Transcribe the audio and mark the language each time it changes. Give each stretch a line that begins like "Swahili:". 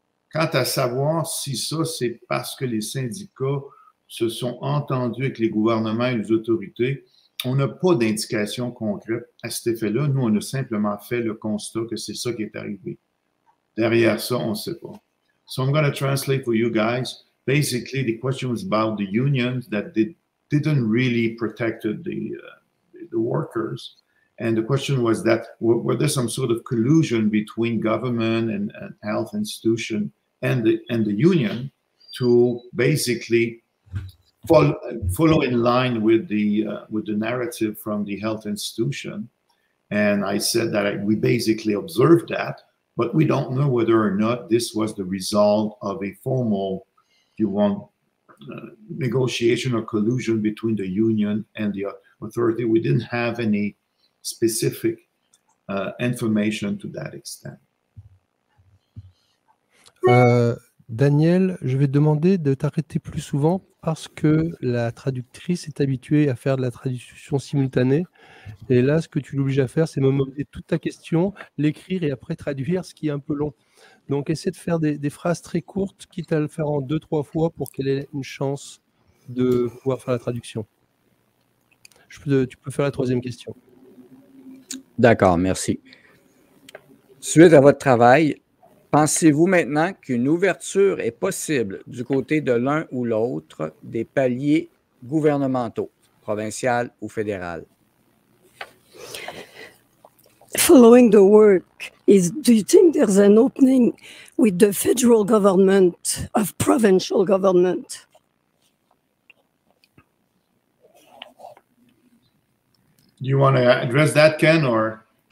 French: Quant à savoir si ça, c'est parce que les syndicats se sont entendus avec les gouvernements et les autorités, on n'a pas d'indication concrète à cet effet-là. Nous, on a simplement fait le constat que c'est ça qui est arrivé. Derrière ça, on ne sait pas.
English: So I'm going to translate for you guys. Basically, the question was about the unions that didn't really protect the workers. And the question was that, were there some sort of collusion between government and health institution and the union to basically follow in line with the narrative from the health institution? And I said that we basically observed that, but we don't know whether or not this was the result of a formal, if you want, negotiation or collusion between the union and the authority. We didn't have any specific information to that extent.
French: Daniel, je vais te demander de t'arrêter plus souvent parce que la traductrice est habituée à faire de la traduction simultanée. Et là, ce que tu l'obliges à faire, c'est me demander toute ta question, l'écrire et après traduire, ce qui est un peu long. Donc, essaie de faire des phrases très courtes, quitte à le faire en deux, trois fois pour qu'elle ait une chance de pouvoir faire la traduction. Tu peux faire la troisième question. D'accord, merci. Suite à votre travail, pensez-vous maintenant qu'une ouverture est possible du côté de l'un ou l'autre des paliers gouvernementaux, provincial ou fédéral?
English: Following the work, do you think there's an opening with the federal government of provincial government? Do you want to address that, Ken, or?